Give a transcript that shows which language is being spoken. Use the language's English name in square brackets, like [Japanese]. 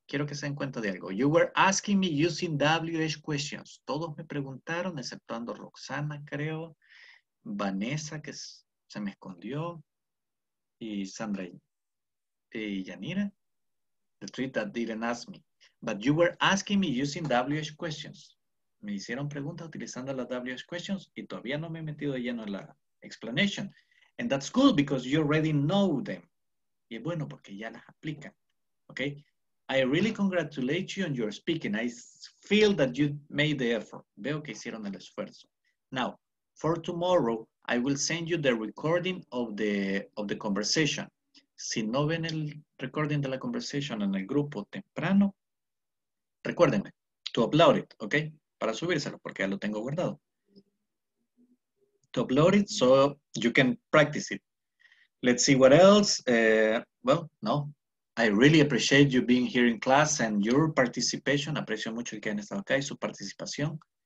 [Spanish] Quiero que se den cuenta de algo. [English] You were asking me using WH questions. [Spanish] Todos me preguntaron, exceptuando Roxana, creo. Vanessa, que se me escondió. [English] Y Sandra y Yanira. The three that didn't ask me. But you were asking me using WH questions. [Spanish] Me hicieron preguntas utilizando las WH questions y todavía no me he metido lleno en la explanation. [English] And that's good because you already know them. [Spanish] Y es bueno porque ya las aplican. [English] Okay. I really congratulate you on your speaking. I feel that you made the effort. [Spanish] Veo que hicieron el esfuerzo. [English] Now, for tomorrow, I will send you the recording of the conversation. [Spanish] Si no ven el recording de la conversation en el grupo temprano, recuérdenme [English] to upload it, [Spanish] okay? Para subírselo, porque ya lo tengo guardado. [English] To upload it so you can practice it. Let's see what else. I really appreciate you being here in class and your participation. [Spanish] Aprecio mucho que hayan estado acá y su participación.